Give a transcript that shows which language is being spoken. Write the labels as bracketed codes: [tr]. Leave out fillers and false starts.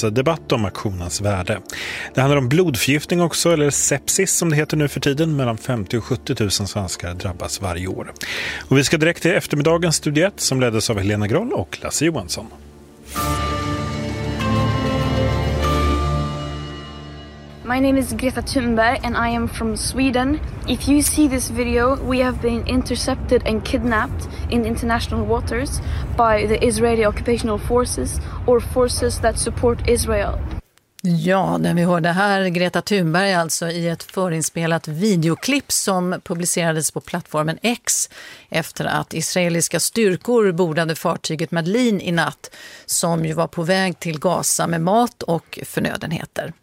[sv] Debatt om aktionens värde. Det handlar om blodförgiftning också, eller sepsis som det heter nu för tiden. Mellan 50 och 70 000 svenskar drabbas varje år. Och vi ska direkt till eftermiddagens studie 1 som leddes av Helena Groll och Lasse Johansson. [en] My name is Greta Thunberg and I am from Sweden. If you see this video, we have been intercepted and kidnapped in international waters by the Israeli occupational forces or forces that support Israel. [sv] Ja, den vi hörde här, Greta Thunberg, alltså i ett förinspelat videoklipp som publicerades på plattformen X efter att israeliska styrkor bordade fartyget Madlin i natt, som ju var på väg till Gaza med mat och förnödenheter.